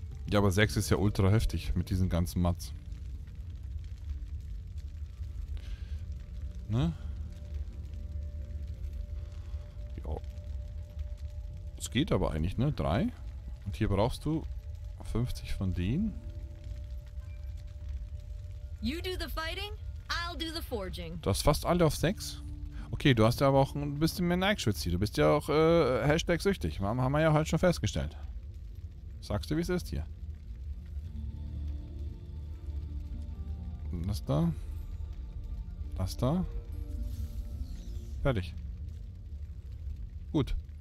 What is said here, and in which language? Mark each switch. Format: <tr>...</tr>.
<de>Ja, aber 6 ist ja ultra heftig mit diesen ganzen Mats. Ne? Ja. Es geht aber eigentlich, ne? 3. Und hier brauchst du 50 von denen.</de> <en>You do the fighting, I'll do the forging.</en> <de>Du hast fast alle auf 6. Okay, du hast ja aber auch ein bisschen mehr Nike-Schwitzi. Du bist ja auch Hashtag-süchtig. Haben wir ja halt schon festgestellt. Sagst du, wie es ist hier? Das da. Das da. Fertig. Gut.</de>